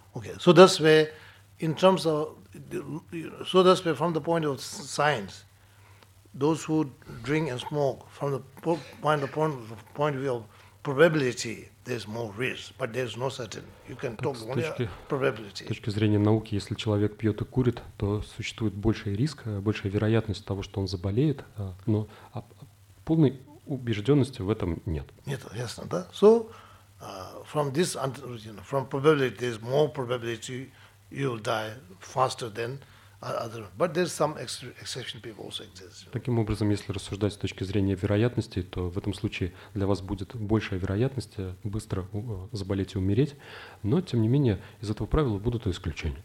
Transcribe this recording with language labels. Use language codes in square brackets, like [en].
[en] Okay, so that's where, in terms of, so that's where from the point of science, those who drink and smoke, from the point of view of probability, there's more risk, but there's no certain. You can talk only probability. [ru] С точки зрения науки, если человек пьет и курит, то существует больший риск, большая вероятность того, что он заболеет, но полной убежденности в этом нет. Нет, ясно, да? [en] So from this, you know, from probability, there's more probability you'll die faster than other. But there's some exception people also exist. [ru] Таким образом, если рассуждать с точки зрения вероятности, то в этом случае для вас будет большая вероятность быстро заболеть и умереть. Но тем не менее из этого правила будут исключения.